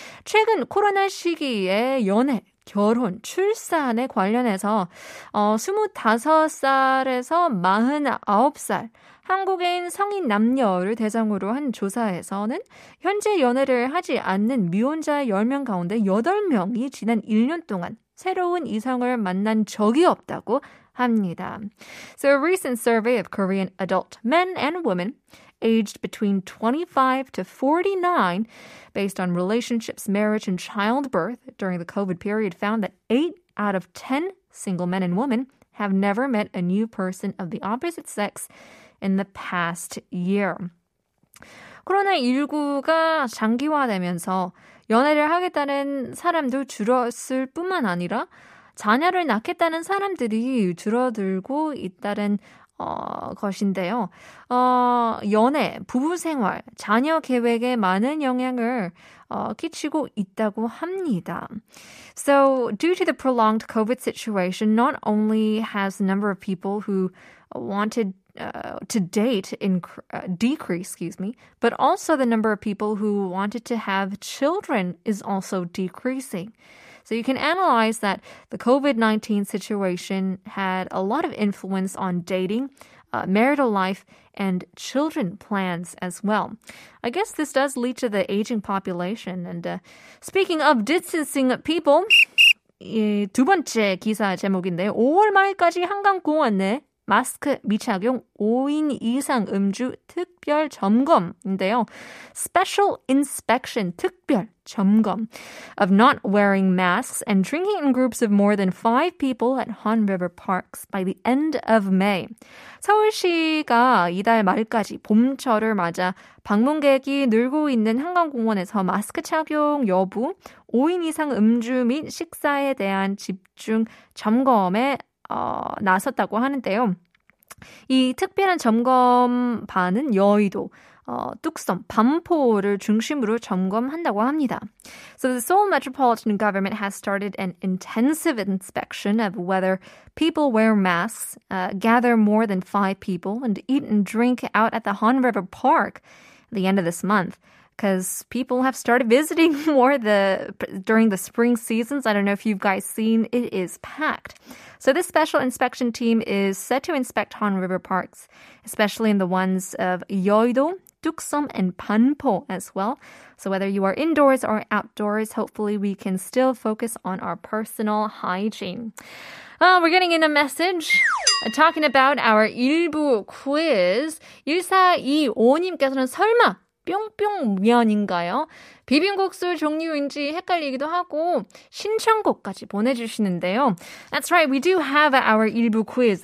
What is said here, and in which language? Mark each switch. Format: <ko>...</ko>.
<ko>최근 코로나 시기에 연애, 결혼, 출산에 관련해서 25살에서 49살 한국인 성인 남녀를 대상으로 한 조사에서는 현재 연애를 하지 않는 미혼자 10명 가운데 8명이 지난 1년 동안 새로운 이성을 만난 적이 없다고 합니다.</ko> <en>So a recent survey of Korean adult men and women aged between 25 to 49 based on relationships, marriage, and childbirth during the COVID period found that 8 out of 10 single men and women have never met a new person of the opposite sex in the past year.</en> <ko>코로나19가 장기화되면서 연애를 하겠다는 사람도 줄었을 뿐만 아니라 자녀를 낳겠다는 사람들이 줄어들고 있다는 것인데요. 연애, 부부생활, 자녀 계획에 많은 영향을 끼치고 있다고 합니다.</ko> <en>So due to the prolonged COVID situation, not only has the number of people who wanted to date decreased, but also the number of people who wanted to have children is also decreasing. So you can analyze that the COVID-19 situation had a lot of influence on dating, marital life, and children plans as well. I guess this does lead to the aging population. And speaking of distancing people,</en> <ko>두 번째 기사 제목인데 5월 말까지 한강공원 내 마스크 미착용 5인 이상 음주 특별 점검인데요.</ko> <en>Special inspection,</en> <ko>특별 점검</ko> <en>of not wearing masks and drinking in groups of more than 5 people at Han River Parks by the end of May.</en> <ko>서울시가 이달 말까지 봄철을 맞아 방문객이 늘고 있는 한강공원에서 마스크 착용 여부, 5인 이상 음주 및 식사에 대한 집중 점검에 나섰다고 하는데요. 이 특별한 점검반은 여의도, 뚝섬, 반포를 중심으로 점검한다고 합니다.</ko> <en>So the Seoul Metropolitan Government has started an intensive inspection of whether people wear masks, gather more than 5 people, and eat and drink out at the Han River Park at the end of this month. Because people have started visiting more during the spring seasons. I don't know if you've guys seen, it is packed. So this special inspection team is set to inspect Han River Parks, especially in the ones of 여의도, 뚝섬, and 반포 as well. So whether you are indoors or outdoors, hopefully we can still focus on our personal hygiene. Well, we're getting in a message talking about our 일부 quiz.</en> <ko>1425님께서는 설마! 뿅뿅면인가요? 비빔국수 종류인지 헷갈리기도 하고 신청곡까지 보내주시는데요.</ko> <en>That's right. We do have our 일부 quiz.</en>